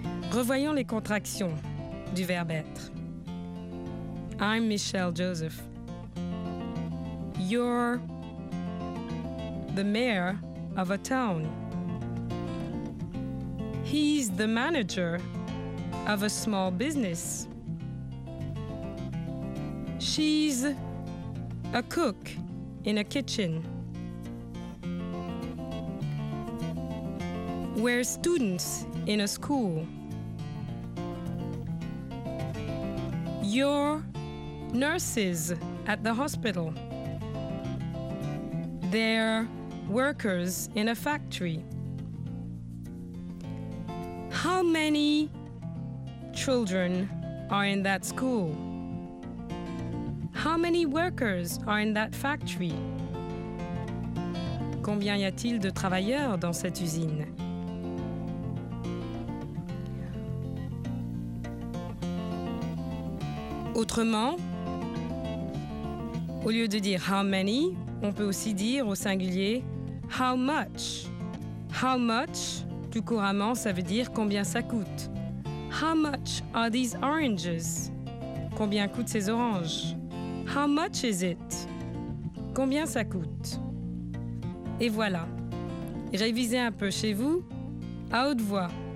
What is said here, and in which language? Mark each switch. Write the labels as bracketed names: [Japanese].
[French] Revoyons les contractions du verbe être. [English] I'm Michelle Joseph. You're the mayor of a town. He's the manager of a small business. She's a cook in a kitchen. We're students in a school. You're nurses at the hospital. They're workers in a factory. How many children are in that school? How many workers are in that factory? [French] Combien y a-t-il de travailleurs dans cette usine? Autrement, au lieu de dire [English] how many, [French] on peut aussi dire au singulier [English] how much. How much, [French] plus couramment, ça veut dire combien ça coûte. [English] How much are these oranges? [French] Combien coûtent ces oranges? [English] How much is it? [French] Combien ça coûte? Et voilà. Révisez un peu chez vous, à haute voix.